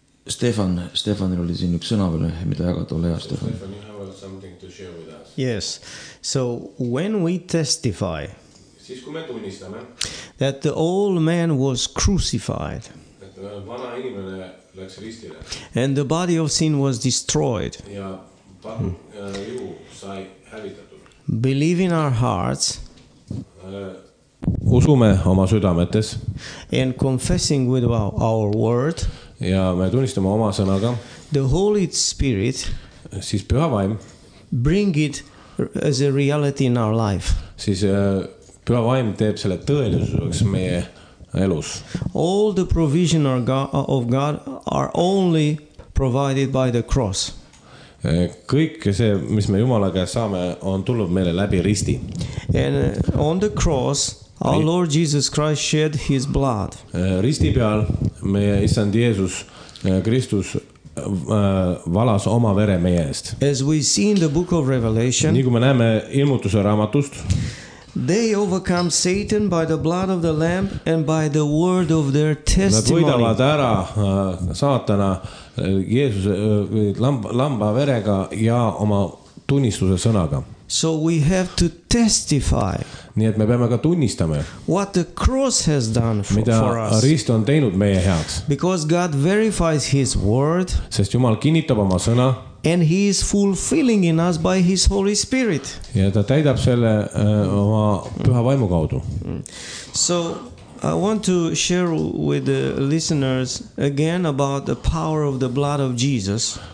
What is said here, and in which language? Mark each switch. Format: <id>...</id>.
<et>Stefanil oli siin üks sõna veel, mida jagada ole hea, Stefan.</et> <en>Stefan, you have something to share with us. Yes, so when we testify</en> <et>siis kui me tunnistame</et> <en>that the old man was crucified</en> <et>et vana inimene läks ristile</et> <en>and the body of sin was destroyed</en> <et>ja paru juhu sai hävitatud</et> <en>believe in our hearts</en> <et>usume oma südametes</et> <en>and confessing with our word</en> <et>ja me tunnistame oma sõnaga</et> <en>the Holy Spirit</en> <et>siis püha vaim</et> <en>bring it as a reality in our life</en> <et>siis püha vaim teeb selle tõeliseks meie elus</et> <en>all the provision of God are only provided by the cross</en> <et>kõik see, mis me Jumala käes saame on tulnud meile läbi risti</et> <en>and on the cross Our Lord Jesus Christ shed his blood.</en> <et>Risti peal meie Issand Jeesus Kristus valas oma vere meie eest.</et> <en>As we see in the book of Revelation,</en> <et>nii kui me näeme ilmutuse raamatust,</et> <en>they overcome Satan by the blood of the lamb and by the word of their testimony.</en> <et>Nad võidavad ära saatana Jeesus lamba verega ja oma tunnistuse sõnaga.</et> <en>So we have to testify.</en> <et>Nii et me peame ka tunnistama.</et> <en>What the cross has done for us.</en> <et>Mida rist on teinud meie heaks.</et> <en>Because God verifies his word.</en> <et>Sest Jumal kinnitab oma sõna.</et> <en>And he is fulfilling in us by his Holy Spirit.</en> <et>Ja ta täidab selle oma püha vaimu kaudu.</et> <en>So I want to share with the listeners again about the power of the blood of Jesus.</en>